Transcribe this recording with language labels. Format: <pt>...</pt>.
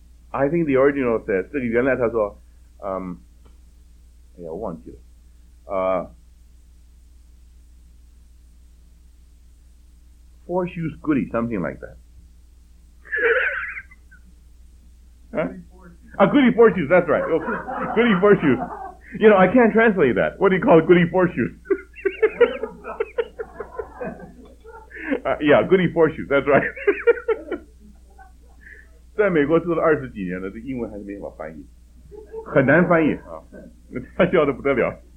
<en>I think the original says,</en> <zh>这个原来他说，哎呀，我忘记了。</zh> <en>Four shoes goody, something like that. 啊 ,goody four shoes, that's right. Goody four shoes. You know, I can't translate that. What do you call goody four shoes? yeah, goody four shoes, that's right.</en> <zh>在美国住了二十几年了，这英文还是没法翻译，很难翻译啊，他笑得不得了。</zh>